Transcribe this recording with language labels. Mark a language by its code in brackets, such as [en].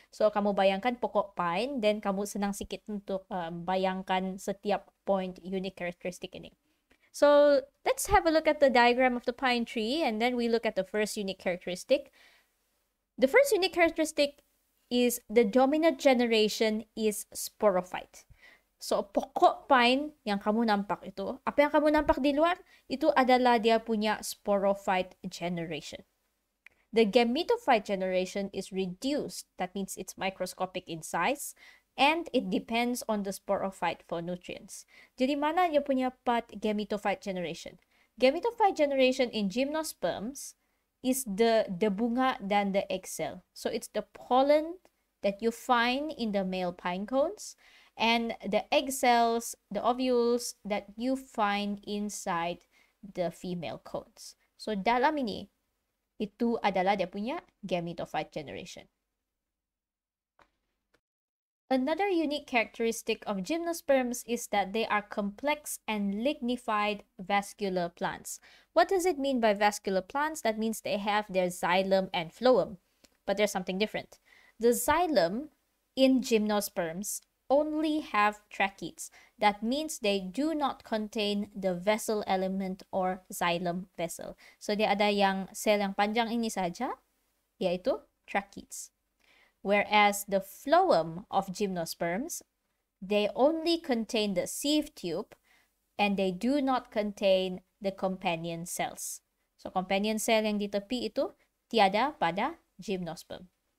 [ms] So, kamu bayangkan pokok pine, then kamu senang sikit untuk bayangkan setiap point unique characteristic ini. [en] So, let's have a look at the diagram of the pine tree, and then we look at the first unique characteristic. The first unique characteristic is the dominant generation is sporophyte. [ms] So, pokok pine yang kamu nampak itu, apa yang kamu nampak di luar, itu adalah dia punya sporophyte generation. [en] The gametophyte generation is reduced, that means it's microscopic in size, and it depends on the sporophyte for nutrients. Jadi, mana dia punya part gametophyte generation? Gametophyte generation in gymnosperms is the bunga dan the egg cell. So, it's the pollen that you find in the male pine cones, and the egg cells, the ovules that you find inside the female cones. [ms] So dalam ini, itu adalah dia punya gametophyte generation. [en] Another unique characteristic of gymnosperms is that they are complex and lignified vascular plants. What does it mean by vascular plants? That means they have their xylem and phloem, but there's something different. The xylem in gymnosperms only have tracheids. That means they do not contain the vessel element or xylem vessel. [ms] So dia ada yang sel yang panjang ini saja, yaitu tracheids. [en] Whereas the phloem of gymnosperms, they only contain the sieve tube and they do not contain the companion cells. [ms] So companion cell yang di tepi itu tiada pada gymnosperm.